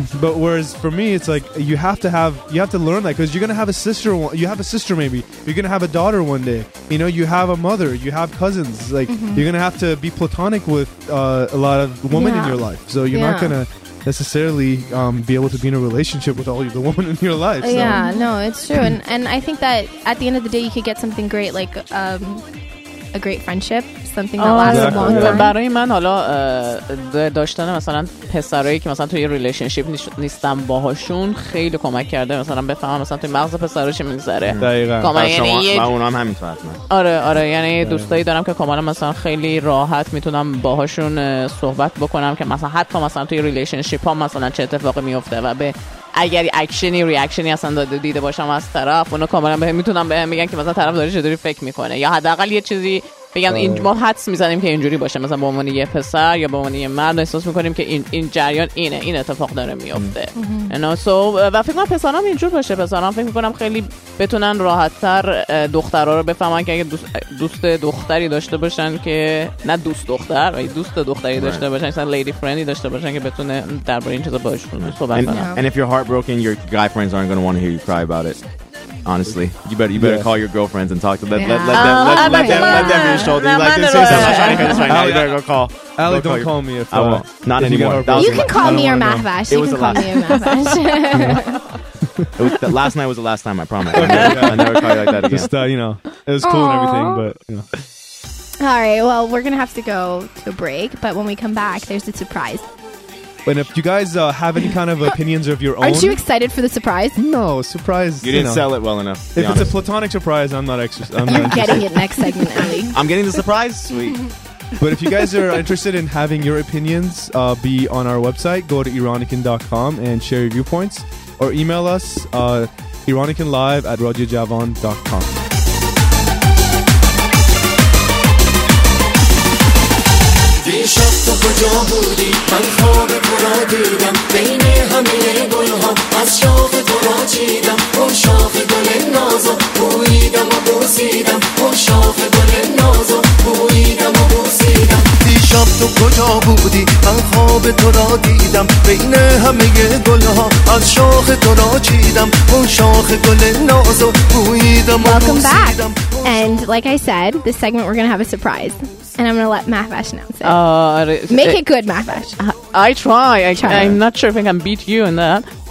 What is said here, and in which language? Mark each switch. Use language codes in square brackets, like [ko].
[en] But whereas for me, it's like you have to have, you have to learn that, because you're gonna have a sister, you have a sister, maybe you're gonna have a daughter one day, you know, you have a mother, you have cousins, like you're gonna have to be platonic with a lot of women in your life, so you're not gonna necessarily be able to be in a relationship with all the women in your life. So. Yeah, no, it's true. And I think that at the end of the day, you could get something great, like a great friendship, something that lasts a long time. [fa] برای من حالا داشتن مثلا پسرایی که مثلا توی یه ریلیشنشیپ نیستم باهاشون خیلی کمک کرده مثلا بفهمم مثلا توی مغز پسرها چه میگذره. دقیقاً. یعنی من اونا هم همینطوره. آره آره، یعنی دوستایی دارم که کاملا مثلا خیلی راحت میتونم باهاشون صحبت بکنم که مثلا حتی مثلا توی ریلیشنشیپ ها مثلا چه اتفاقی میفته و به اگر اکشنی ریاکشنی اصلا داده دیده باشم از طرف، اونا کاملا بهم میتونن بهم میگن که مثلا طرف داره چطوری فکر میکنه، یا حداقل یه چیزی بگن. این ما حدس میزنیم که اینجوری باشه، مثلا به عنوان یه پسر یا به عنوان یه مرد احساس میکنیم که این جریان اینه، این اتفاق داره میفته. و فکر کنم پسرام اینجور باشه، پسرام فکر میکنم خیلی بتونن راحتتر دخترها رو بفهمن که اگه دوست دختری داشته باشن، که نه دوست دختر، ولی دوست دختری داشته باشن، مثلا لیدی فرندی داشته باشن که بتونه درباره این چیزا باهاشون صحبت کنه. [en] And if you're heartbroken, your guy friends aren't going to want to hear you cry about it. Honestly, you better call your girlfriends and talk to them. Let them be your shoulder. You like this? I'm trying to hit this right now. You better go call. Ali, don't call me. I won't. Not anymore. You can call me or Mahvash. You can call me or Mahvash. Last night was the last time, I promise. I never call you like that again. Just, you know, it was cool and everything, but, you know. All right, well, we're going to have to go to a break, but when we come back, there's a surprise. And if you guys have any kind of opinions of your own... Aren't you excited for the surprise? No, surprise... You didn't sell it well enough. If it's a platonic surprise, I'm not extra... You're getting it next segment, Ellie. I'm getting the surprise? Sweet. But if you guys are interested in having your opinions be on our website, go to Ironikin.com and share your viewpoints, or email us ironikinlive@rajajavan.com. [fa] دیشب تو کجا بودی؟ من خواب تو را دیدم، بین همه گلها از شاق تو را چیدم، اون شاق گل نازو بویدم و بوسیدم، اون شاق گل نازو بویدم و بوسیدم. دیشب تو کجا بودی؟ من خواب تو را دیدم، بین همه گلها از شاخ تو را چیدم، اون شاخ گل ناز و بویدم. [en] Welcome back. And like I said, this segment we're going to have a surprise, and I'm going to let Mahvash announce it. Make it good, Mahvash. I try. I'm not sure if I can beat you in that.